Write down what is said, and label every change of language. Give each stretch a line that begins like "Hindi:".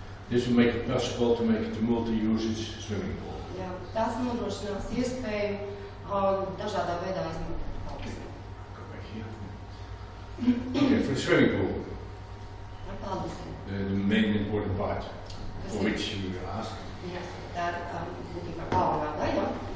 English: This will make it possible to make it a multi-usage swimming pool.
Latvian: Jā, tas nodrošinās iespēju dažādā veidā izmantot.
English: Okay, for the swimming pool.
Latvian: Paldies.
English: The main important part for which you will ask.
Latvian: Jā, tā ir būtībā galvenā daļa.